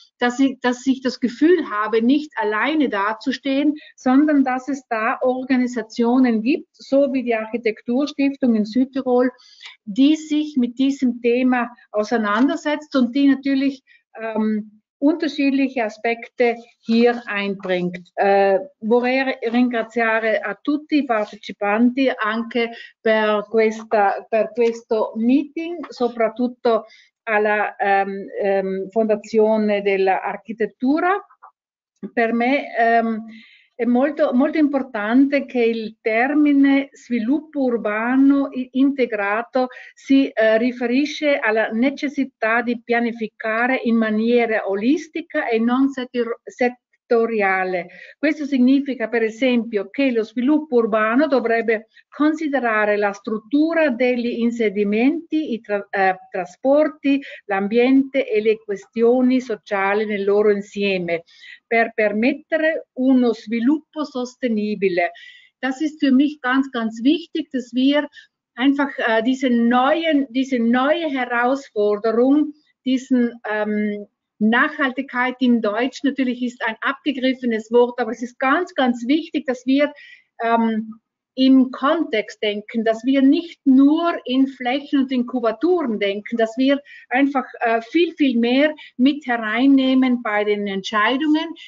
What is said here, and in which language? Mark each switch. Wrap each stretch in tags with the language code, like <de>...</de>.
<de>dass ich das Gefühl habe, nicht alleine dazustehen, sondern dass es da Organisationen gibt, so wie die Architekturstiftung in Südtirol, die sich mit diesem Thema auseinandersetzt und die natürlich unterschiedliche Aspekte hier einbringt.</de> <it>Vorrei ringraziare a tutti i partecipanti anche per questo meeting, soprattutto alla Fondazione dell'Architettura. Per me è molto, molto importante che il termine sviluppo urbano integrato si riferisce alla necessità di pianificare in maniera olistica e non settoriale. Questo significa, per esempio, che lo sviluppo urbano dovrebbe considerare la struttura degli insediamenti, i trasporti, l'ambiente e le questioni sociali nel loro insieme, per permettere uno sviluppo sostenibile.</it> <de>Das ist für mich ganz, ganz wichtig, dass wir einfach diese neue Herausforderung, diesen Nachhaltigkeit in Deutsch, natürlich ist ein abgegriffenes Wort, aber es ist ganz, ganz wichtig, dass wir im Kontext denken, dass wir nicht nur in Flächen und in Kubaturen denken, dass wir einfach viel, viel mehr mit hereinnehmen bei den Entscheidungen.</de>